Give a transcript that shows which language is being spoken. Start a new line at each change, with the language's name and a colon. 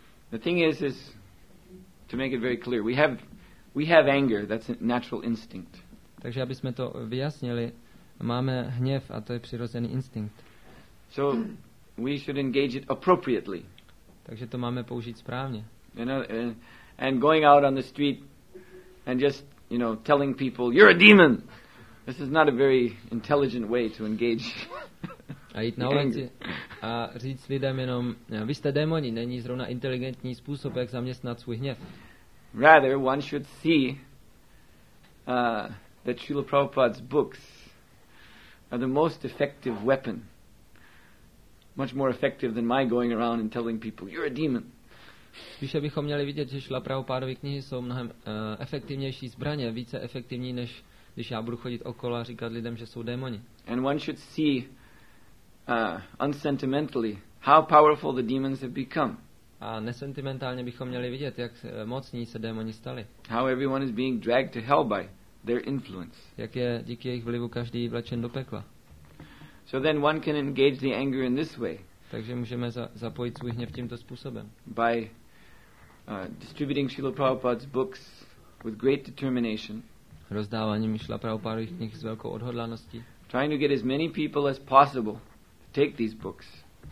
English: The thing is to make it very clear. We have anger, that's a natural instinct.
Czech: Takže abychom to vyjasnili, máme hněv a to je přirozený instinkt.
English: So we should engage it appropriately.
Czech: Takže to máme použít správně.
English: And going out on the street and just, you know, telling people you're a demon. This is not a very intelligent way to engage.
Czech: A jít na ulici a říct lidem jenom vy jste démoni, není zrovna inteligentní způsob, jak zaměstnat svůj hněv.
English: Rather one should see that Srila Prabhupada's books are the most effective weapon. Much more effective than my going around and telling people you're a demon.
Czech: Víš, abychom měli vidět, že Šrila Prabhupádovy knihy jsou mnohem efektivnější zbraně, více efektivní, než když já budu chodit okolo a říkat lidem, že jsou démoni.
English: And one should see unsentimentally how powerful the demons have become.
Czech: A nesentimentálně bychom měli vidět, jak mocní se démoni stali.
English: How everyone is being dragged to hell by their influence.
Czech: Jak je díky jejich vlivu každý vlečen do pekla.
English: So then one can engage the anger in this way.
Czech: Takže můžeme zapojit svůj hněv tímto způsobem.
English: By distributing Srila Prabhupada's books with great determination.
Czech: Rozdáváním Srila Prabhupádových knih s velkou odhodlaností.
English: Trying to get as many people as possible to take these books.